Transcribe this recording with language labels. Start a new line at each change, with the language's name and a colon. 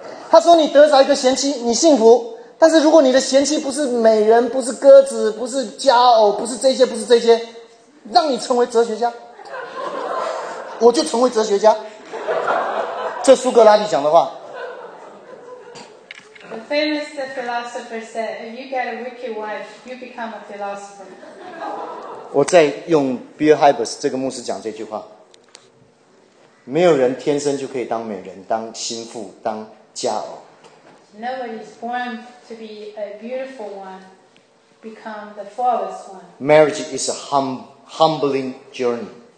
Chinese: 他说：“你得着一个贤妻，你幸福。但是如果你的贤妻不是美人，不是鸽子，不是佳偶，不是这些，不是这些，让你成为哲学家。” 我就成为哲学家，这苏格拉底讲的话。
English: The famous philosopher said, "If you get a wicked wife, you become a philosopher."
Chinese: 我在用 Bill Hybels 这个牧师讲这句话。没有人天生就可以当美人、当心腹、当佳偶。
English: Nobody is born to be a beautiful one become the flawless one. Marriage is a humbling journey.